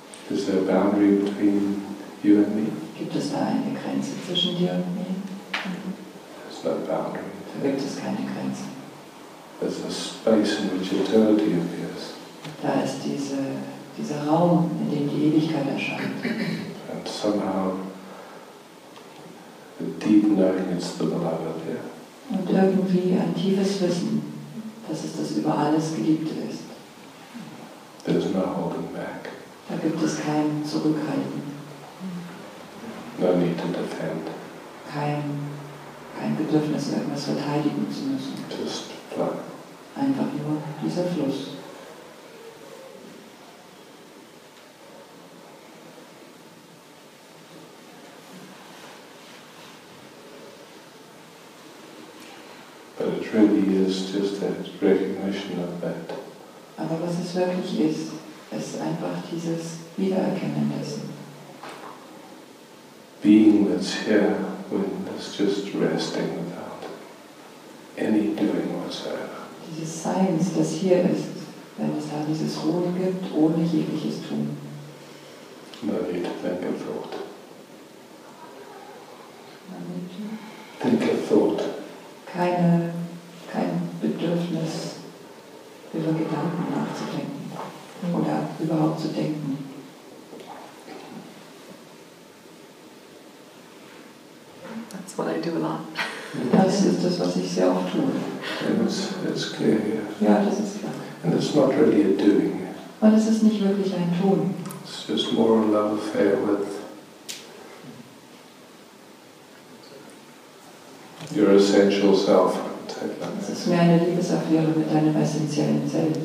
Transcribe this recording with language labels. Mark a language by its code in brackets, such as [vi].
[en] Is there a boundary between you and me? [de] Gibt es da eine Grenze zwischen dir und mir? [en] There's no boundary. [de] Da gibt es keine Grenze. [en] There's a space in which eternity appears. [de] Da ist dieser Raum, in dem die Ewigkeit erscheint. [en] And somehow, the deep knowing is the beloved there. [de] Und irgendwie ein tiefes Wissen, dass es das über alles Geliebte ist. [en] There's no holding back. [de] Da gibt es kein Zurückhalten. [en] No need to defend. [de] Kein Bedürfnis, irgendwas verteidigen zu müssen. [en] Just flow. [de] Einfach nur dieser Fluss. [en] But it really is just a recognition of that. [de] Aber was es wirklich ist, ist einfach dieses Wiedererkennen dessen. [en] Being that's here when it's just resting without any doing whatsoever. [de] Dieses Seins, das hier ist, wenn es da dieses Ruhen gibt, ohne jegliches Tun. [en] Man need to think of thought. Man need to think of thought. [de] Kein Bedürfnis, über Gedanken nachzudenken oder überhaupt zu denken. [en] That's what I do a lot. [de] Das ist das, was ich sehr oft tue. [en] And it's clear here. [de] Ja, das ist klar. [en] And it's not really a doing. [de] Und es ist nicht wirklich ein Tun. [en] It's just more a love affair with your essential self. [de] Es ist mehr eine Liebesaffäre mit deinem essentiellen Selbst.